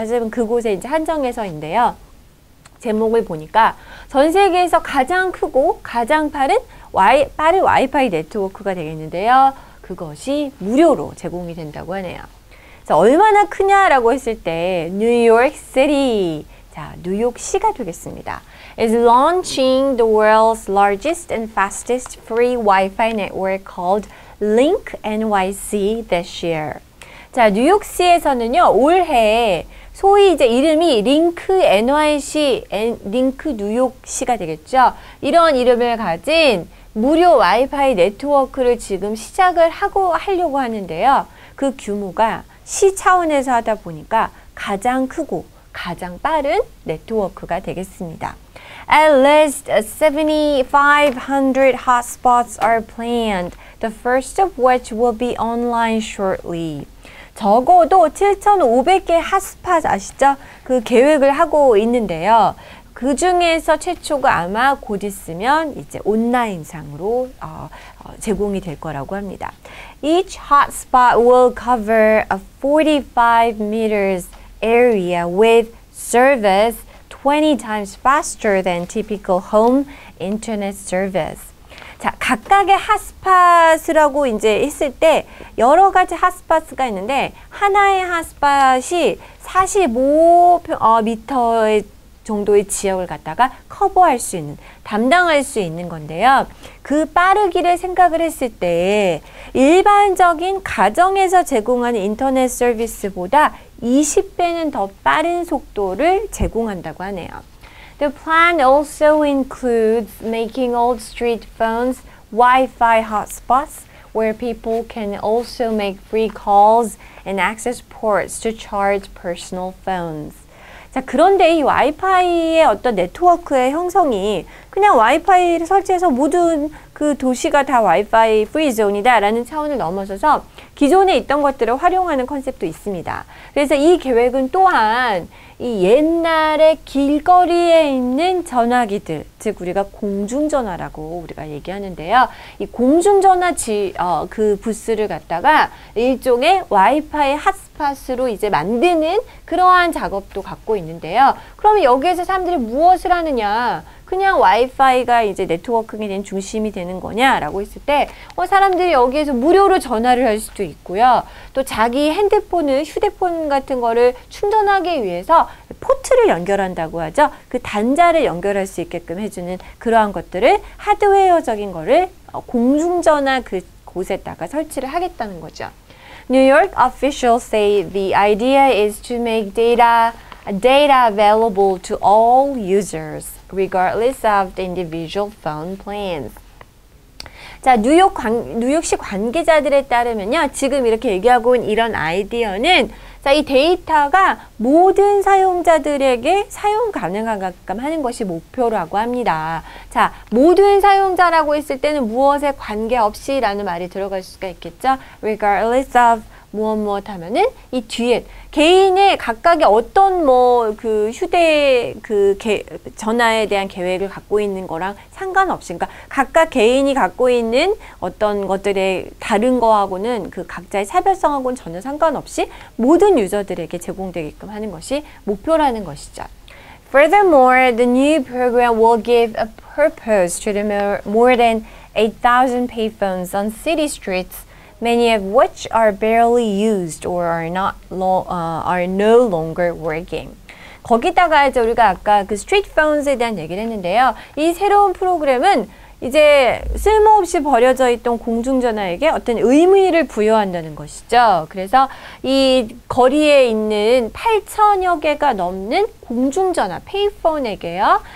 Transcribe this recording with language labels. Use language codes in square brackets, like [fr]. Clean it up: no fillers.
[ko] 하지만 그곳에 이제 한정해서인데요. 제목을 보니까 전 세계에서 가장 크고 가장 빠른 와이파이 네트워크가 되겠는데요. 그것이 무료로 제공이 된다고 하네요. 그래서 얼마나 크냐라고 했을 때 뉴욕 시티. 자, 뉴욕시가 되겠습니다. [en] is launching the world's largest and fastest free Wi-Fi network called Link NYC this year. [ko] 자, 뉴욕시에서는요, 올해 소위 이제 이름이 링크 NYC, 링크 뉴욕시가 되겠죠. 이런 이름을 가진 무료 와이파이 네트워크를 지금 시작을 하려고 하는데요. 그 규모가 시 차원에서 하다 보니까 가장 크고 가장 빠른 네트워크가 되겠습니다. [en] At least 7,500 hotspots are planned, the first of which will be online shortly. [ko] 적어도 7,500개 핫스팟 아시죠? 그 계획을 하고 있는데요. 그 중에서 최초가 아마 곧 있으면 이제 온라인상으로 제공이 될 거라고 합니다. [en] Each hotspot will cover a 45 meters area with service 20 times faster than typical home internet service. [ko] 자, 각각의 핫스팟이라고 이제 했을 때 여러 가지 핫스팟이 있는데 하나의 핫스팟이 45미터의 정도의 지역을 갖다가 커버할 수 있는, 담당할 수 있는 건데요. 그 빠르기를 생각을 했을 때 일반적인 가정에서 제공하는 인터넷 서비스보다 20배는 더 빠른 속도를 제공한다고 하네요. [en] The plan also includes making old street phones Wi-Fi hotspots where people can also make free calls and access ports to charge personal phones. [ko] 자, 그런데 이 와이파이의 어떤 네트워크의 형성이 그냥 와이파이를 설치해서 모든 그 도시가 다 와이파이 프리 존이다라는 차원을 넘어서서 기존에 있던 것들을 활용하는 컨셉도 있습니다. 그래서 이 계획은 또한 이 옛날에 길거리에 있는 전화기들, 즉 우리가 공중전화라고 우리가 얘기하는데요. 이 공중전화 그 부스를 갖다가 일종의 와이파이 핫스팟으로 이제 만드는 그러한 작업도 갖고 있는데요. 그러면 여기에서 사람들이 무엇을 하느냐? 그냥 와이파이가 이제 네트워킹에 대한 중심이 되는 거냐라고 했을 때 사람들이 여기에서 무료로 전화를 할 수도 있고요. 또 자기 핸드폰을, 휴대폰 같은 거를 충전하기 위해서 포트를 연결한다고 하죠. 그 단자를 연결할 수 있게끔 해주는 그러한 것들을 하드웨어적인 거를 공중전화 그 곳에다가 설치를 하겠다는 거죠. [en] New York officials say the idea is to make data available to all users, regardless of the individual phone plans. [ko] 자, 뉴욕시 관계자들에 따르면요, 지금 이렇게 얘기하고 있는 이런 아이디어는 자, 이 데이터가 모든 사용자들에게 사용 가능하게끔 하는 것이 목표라고 합니다. 자, 모든 사용자라고 했을 때는 무엇에 관계없이라는 말이 들어갈 수가 있겠죠. [en] Regardless of [ko] 무엇 무엇 하면은 이 뒤에 개인의 각각의 어떤 뭐 그 휴대 그 전화에 대한 계획을 갖고 있는 거랑 상관없이, 그러니까 각각 개인이 갖고 있는 어떤 것들의 다른 거하고는 그 각자의 차별성하고는 전혀 상관없이 모든 유저들에게 제공되게끔 하는 것이 목표라는 것이죠. [en] Furthermore, the new program will give a purpose to the more than 8,000 payphones on city streets, many of which are barely used or are no longer working. [ko] 거기다가 이제 우리가 아까 그 [en] street phones [ko] 에 대한 얘기를 했는데요. 이 새로운 프로그램은 이제 쓸모없이 버려져 있던 공중전화에게 어떤 의미를 부여한다는 것이죠. 그래서 이 거리에 있는 8천여 개가 넘는 공중전화, payphone에게요.